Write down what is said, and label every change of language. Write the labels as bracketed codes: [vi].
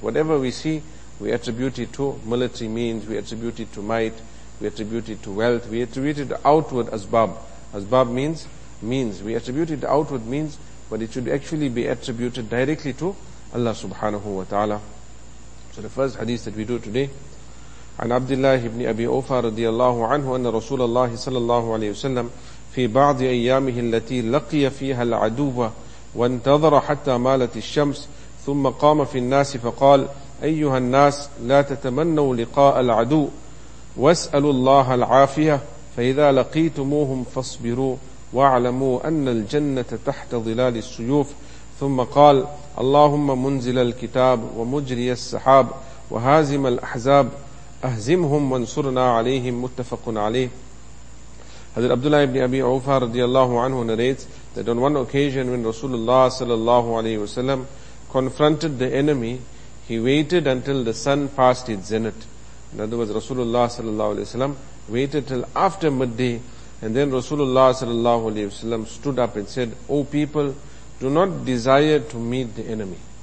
[en] Whatever we see, we attribute it to military means, we attribute it to might, we attribute it to wealth, we attribute it to outward asbab. Asbab means, we attribute it to outward means, but it should actually be attributed directly to Allah subhanahu wa ta'ala. So the first hadith that we do today, [ar] عن عبد الله بن أبي أوفى رضي الله عنه أن رسول الله صلى الله عليه وسلم في بعض أيامه التي لقي فيها العدو وانتظر حتى مالت الشمس ثم قام في الناس فقال أيها الناس لا تتمنوا لقاء العدو واسألوا الله العافية فإذا لقيتموهم فاصبروا واعلموا أن الجنة تحت ظلال السيوف ثم قال اللهم منزل الكتاب ومجري السحاب وهازم الأحزاب أهزمهم وانصرنا عليهم متفق عليه. [en] حضرت عبداللہ بن ابی عوفا رضی اللہ عنہ narrates that on one occasion when Rasulullah sallallahu alayhi wa sallam confronted the enemy, he waited until the sun passed its zenith. In other words, Rasulullah sallallahu alayhi wa sallam waited till after midday, and then Rasulullah sallallahu alayhi wa sallam stood up and said, O people, do not desire to meet the enemy.